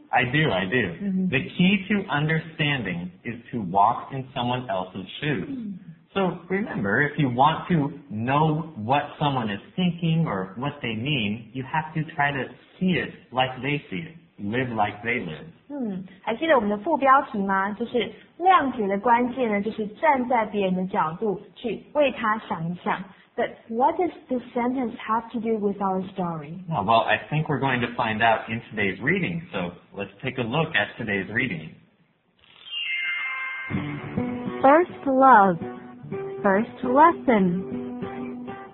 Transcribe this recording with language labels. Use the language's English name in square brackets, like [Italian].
[English] I do. Mm-hmm. The key to understanding is to walk in someone else's shoes. So remember, if you want to know what someone is thinking or what they mean, you have to try to see it like they see it. Live like they live. [Chinese] 还记得我们的副标题吗？就是谅解的关键呢，就是站在别人的角度去为他想一想。 [English] But what does this sentence have to do with our story? Well, I think we're going to find out in today's reading. So let's take a look at today's reading. First love, first lesson.